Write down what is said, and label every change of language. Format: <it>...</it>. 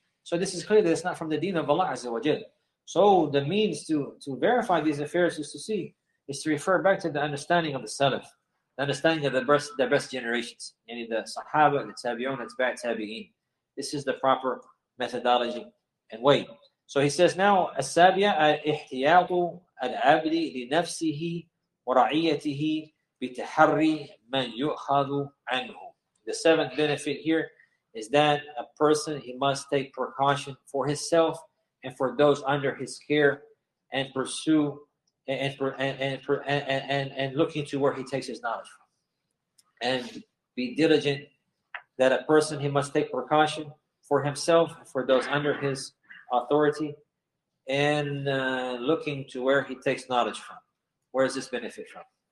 <en>So this is clear that it's not from the deen of Allah Azza wa Jal. So the means to verify these affairs is to refer back to the understanding of the Salaf, the understanding of the best generations, meaning the Sahaba, the Tabi'un, the Tabi'at Tabi'in. This is the proper methodology and way.</en> <ar>So he says now, السَّابِعَ إِحْتِيَاطُ الْعَبْدِ لِنَفْسِهِ وَرَعِيَتِهِ بِتَحَرِّي مَنْ يُؤْخَذُ عَنْهُ.</ar> <en>The seventh benefit here is that a person, he must take precaution for himself and for those under his care and pursue and look into where he takes his knowledge from. And be diligent that a person, he must take precaution for himself and for those under his authority and looking to where he takes knowledge from. Where is this benefit from?</en>